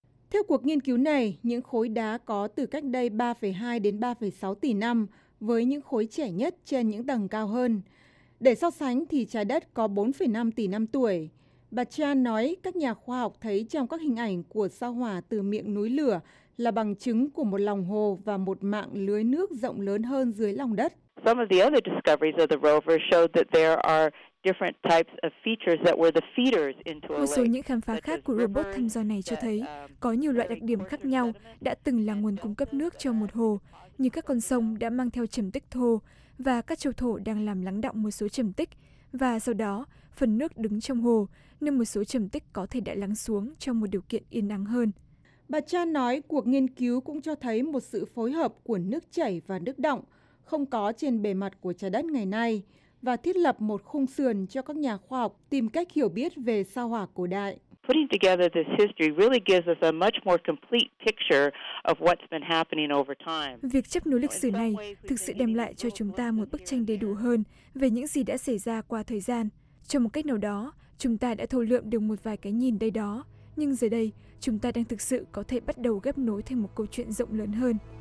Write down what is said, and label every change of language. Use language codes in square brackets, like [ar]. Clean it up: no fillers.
[vi] Theo cuộc nghiên cứu này, những khối đá có từ cách đây 3,2 đến 3,6 tỷ năm với những khối trẻ nhất trên những tầng cao hơn. Để so sánh thì trái đất có 4,5 tỷ năm tuổi. Bà Chan nói các nhà khoa học thấy trong các hình ảnh của sao Hỏa từ miệng núi lửa là bằng chứng của một lòng hồ và một mạng lưới nước rộng lớn hơn dưới lòng đất. [en] Some of the other discoveries of the rover showed that there are different types of features that were the feeders into a lake. [vi] Một số những khám phá khác của robot thăm dò này cho thấy có nhiều loại đặc điểm khác nhau đã từng là nguồn cung cấp nước cho một hồ, như các con sông đã mang theo trầm tích thô và các châu thổ đang làm lắng đọng một số trầm tích, và sau đó phần nước đứng trong hồ nên một số trầm tích có thể đã lắng xuống trong một điều kiện yên ắng hơn. Bà Chan nói cuộc nghiên cứu cũng cho thấy một sự phối hợp của nước chảy và nước đọng không có trên bề mặt của trái đất ngày nay và thiết lập một khung sườn cho các nhà khoa học tìm cách hiểu biết về sao Hỏa cổ đại. [en] Putting together this history really gives us a much more complete picture of what's been happening over time. [vi] Việc chấp nối lịch sử này thực sự đem lại cho chúng ta một bức tranh đầy đủ hơn về những gì đã xảy ra qua thời gian. Trong một cách nào đó, chúng ta đã thu lượm được một vài cái nhìn đây đó, nhưng giờ đây, chúng ta đang thực sự có thể bắt đầu ghép nối thành một câu chuyện rộng lớn hơn.